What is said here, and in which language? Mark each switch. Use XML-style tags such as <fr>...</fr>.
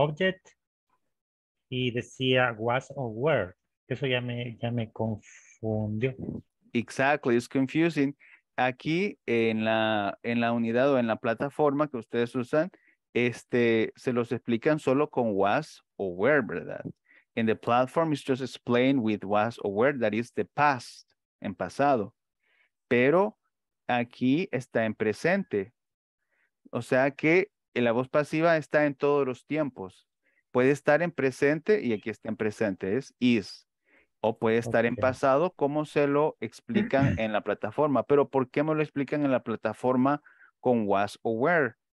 <es>object y decía was or were. Eso ya me confundió.</es> <en>Exactly, it's confusing.</en> <es>Aquí en la unidad o en la plataforma que ustedes usan, se los explican solo con was o were, ¿verdad?</es> <en>And the platform is just explained with was or were, that is the past, en pasado.</en> <es>Pero aquí está en presente. O sea que la voz pasiva está en todos los tiempos. Puede estar en presente y aquí está en presente, es is. O puede estar okay. en pasado, como se lo explican en la plataforma. Pero ¿por qué me lo explican en la plataforma con was o were?</es>